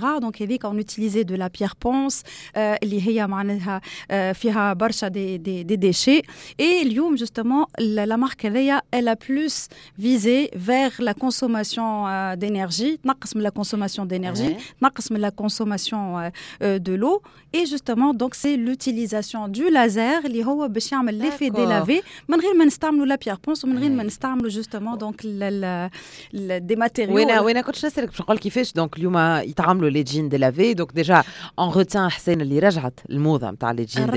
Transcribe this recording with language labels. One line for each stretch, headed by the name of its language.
French: Donc il dit qu'on utilisait de la pierre ponce
Arabic: اللي هي معناها فيها برشا
French: des déchets et اليوم justement la marque هذيا elle a plus visé vers la consommation d'énergie
Arabic: تنقص
French: la consommation d'énergie, ouais. La consommation de l'eau et justement donc c'est l'utilisation du laser qui va faire l'effet délavé
Arabic: من غير ما نستعملوا
French: la pierre ponce من غير ما نستعملوا justement donc la des matériaux.
Arabic: وين وين كنت نسالك باش نقول كيفاش donc اليوم يتعاملوا
French: les jeans délavé. Donc déjà on retient
Arabic: حسين اللي رجعت الموضه نتاع
French: les jeans délavé.